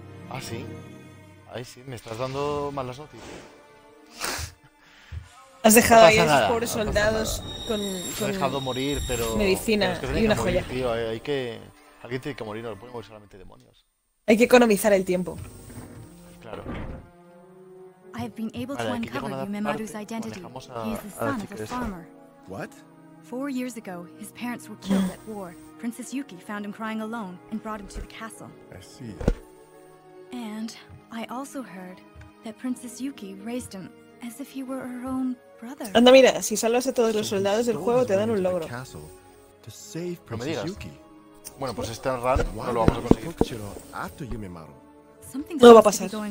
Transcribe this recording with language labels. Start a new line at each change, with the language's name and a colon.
Spanish: Ah, sí. Ay, sí, me estás dando malas noticias. Has dejado ahí a esos pobres soldados con. He dejado morir, pero. Medicina y una joya. Tío, hay que. Alguien tiene que morir, no lo pueden morir solamente demonios. Hay que economizar el tiempo. Claro.
English: I have been able to uncover Yumemaru's identity. He's the son of a farmer. What? 4 years ago, his parents were killed at war. Princess Yuki found him crying alone and brought him to the castle. I see. And I also heard that Princess Yuki raised him as if he were her own brother.
Spanish: Anda, mira, si salvas a todos los soldados del juego te dan un logro.
English: To save Princess Yuki.
Spanish: Bueno, pues este run no lo vamos a conseguir.
English: After
Spanish: Yumemaru. No va a pasar.